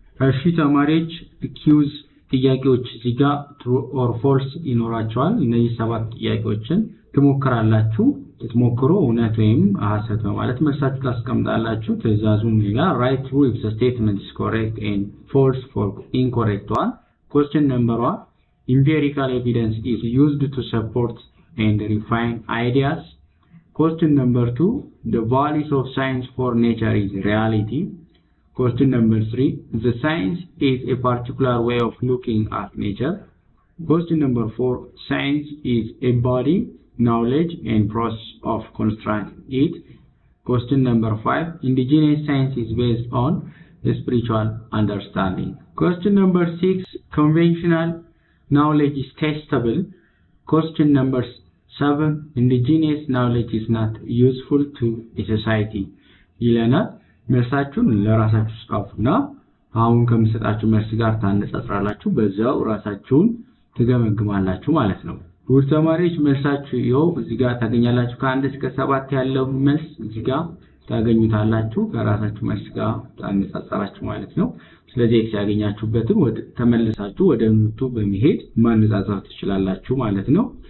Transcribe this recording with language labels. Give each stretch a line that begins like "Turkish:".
Amharic: እሺ ተማሪዎች ኪውዝ ጥያቄዎች እዚህ ጋር
English: ትሩ ኦር ፎልስ
Amharic: ይኖራቸዋል። እነዚህ ሰባት ጥያቄዎችን ትሞክራላችሁ። ትሞክሩ እውነት ወይም ሐሰት በማለት መልሳችሁ ታስቀምጣላችሁ። ትዕዛዙም እዚህ ጋር
English: ራይት ትሩ ኢፍ ዘ ስቴትመንት ኢዝ ኮሬክት ኤንድ ፎልስ ፎር ኢንኮሬክት ዋን። ኩዌስቸን ነምበር 1 ኢምፔሪካል ኤቪደንስ ኢዝ ዩዝድ ቱ ሰፖርት ኤንድ ሪፋይን አይዲያስ። ኩዌስቸን ነምበር 2 ዘ ቫሊስ ኦፍ ሳይንስ ፎር ኔቸር ኢዝ ሪያሊቲ። Question number 3, the science is a particular way of looking at nature. Question number 4, science is embodying knowledge and process of constructing it. Question number 5, indigenous science is based on spiritual understanding. Question number 6, conventional knowledge is testable. Question number 7, indigenous knowledge is not useful to a society. Yelena.
Amharic: መልሳችሁን ለራሳችሁ ጻፉና አሁን ከመሰጣችሁ መልስ ጋር ታነጻጽራላችሁ። በዛው ራሳችሁን ትገመግማላችሁ ማለት ነው። ውድ ተማሪዎች መልሳችሁ ይኸው እዚህ ጋር ታገኛላችሁ። ከአንድ እስከ ሰባት ያለው መልስ እዚህ ጋር ታገኙታላችሁ። ከራሳችሁ መልስ ጋር ታነጻጽራችሁ ማለት ነው። ስለዚህ ኤክስ ያገኛችሁበትን ተመልሳችሁ ወደ ኖቱ በመሄድ ማነጻጸር ትችላላችሁ ማለት ነው።